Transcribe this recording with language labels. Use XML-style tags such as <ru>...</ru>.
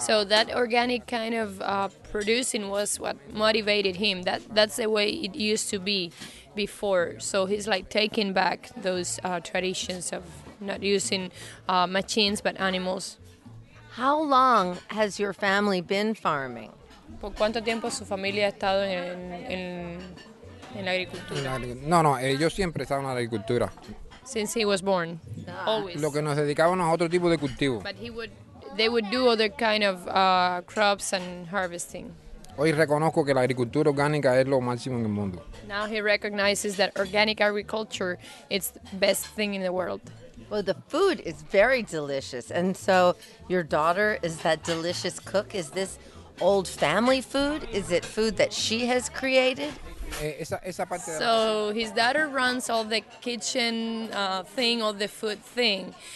<en>So that organic kind of producing was what motivated him. That's the way it used to be before. So he's like taking back those traditions of not using machines but animals. How long has your family been farming?</en> <es>¿Por cuánto tiempo su familia ha estado en la agricultura? No, no, yo siempre he estado en la agricultura.</es> <en>Since he was born, always.</en> <es>Lo que nos dedicábamos a otro tipo de cultivo.</es> <en>But they would do other kind of crops and harvesting.</en> <es>Hoy reconozco que la agricultura orgánica es lo máximo en el mundo.</es> <en>Now he recognizes that organic agriculture is the best thing in the world. Well, the food is very delicious. And so your daughter is that delicious cook. Is this old family food? Is it food that she has created? So his daughter runs all the kitchen thing, all the food thing.</en>